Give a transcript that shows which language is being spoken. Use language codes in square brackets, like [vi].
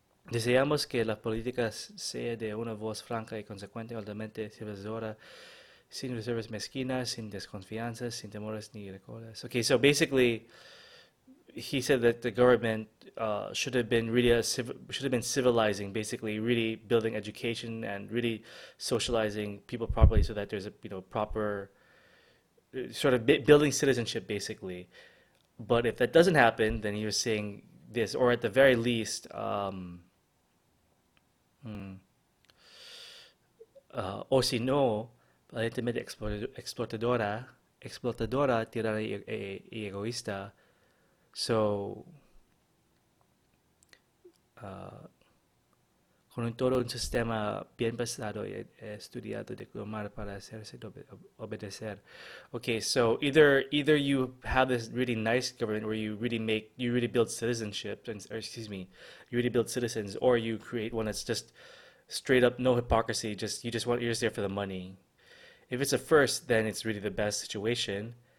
[es] Deseamos que la política sea de una voz franca y consecuente, altamente civilizadora, sin reservas mezquinas, sin desconfianzas, sin temores ni recelos. [en] Okay, so basically, he said that the government should have been really should have been civilizing, basically really building education and really socializing people properly, so that there's a proper sort of building citizenship, basically. But if that doesn't happen, then you're saying this, or at the very least, o si no, explotadora, explotadora, tirana y egoísta. [es] So, con un todo un sistema bien pensado y estudiado de cómo para hacerse obedecer. [en] Okay, so either you have this really nice government where you really build citizenship, and, or excuse me, you really build citizens, or you create one that's just straight up no hypocrisy. You're just there for the money. If it's a first, then it's really the best situation.